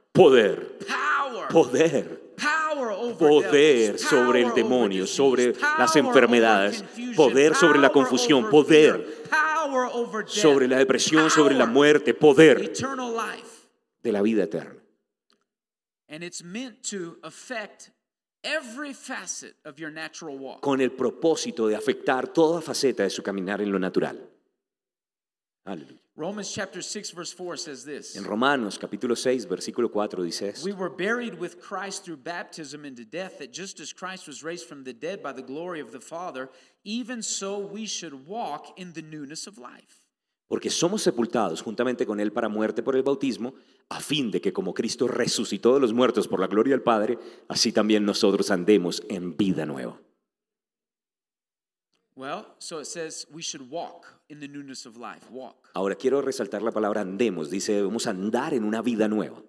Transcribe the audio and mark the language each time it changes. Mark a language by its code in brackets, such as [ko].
[es] Poder. [en] Power. [es] Poder. [en] Power over [es] poder sobre el demonio, sobre las enfermedades, poder sobre la confusión, poder sobre la depresión, sobre la muerte, poder de la vida eterna. [en] And it's meant to affect every facet of your natural walk. [es] Con el propósito de afectar toda faceta de su caminar en lo natural. Aleluya. [en] Romans chapter 6 verse 4 says this. [es] En Romanos capítulo 6 versículo 4 dice esto. [en] We were buried with Christ through baptism into death, that just as Christ was raised from the dead by the glory of the Father, even so we should walk in the newness of life. [es] Porque somos sepultados juntamente con Él para muerte por el bautismo, a fin de que como Cristo resucitó de los muertos por la gloria del Padre, así también nosotros andemos en vida nueva. [en] Well, so it says we should walk in the newness of life. Walk. [es] Ahora quiero resaltar la palabra andemos. Dice, vamos a andar en una vida nueva.